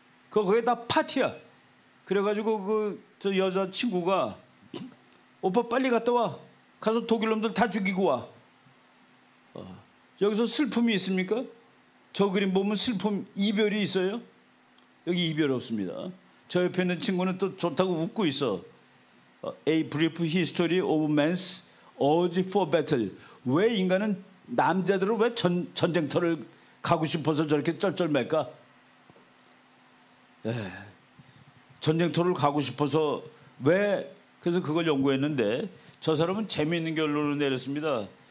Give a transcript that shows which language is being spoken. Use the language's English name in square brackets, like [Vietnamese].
[Korean] 거기에 다 파티야. 그래가지고 그 저 여자친구가 오빠 빨리 갔다 와. 가서 독일 놈들 다 죽이고 와. 여기서 슬픔이 있습니까? 저 그림 보면 슬픔, 이별이 있어요? 여기 이별 없습니다. 저 옆에 있는 친구는 또 좋다고 웃고 있어. [English] A brief history of man's urge for battle. [Korean] 왜 인간은 남자들은 왜 전쟁터를 가고 싶어서 저렇게 쩔쩔맬까? 에이, 전쟁터를 가고 싶어서 왜? 그래서 그걸 연구했는데 저 사람은 재미있는 결론을 내렸습니다.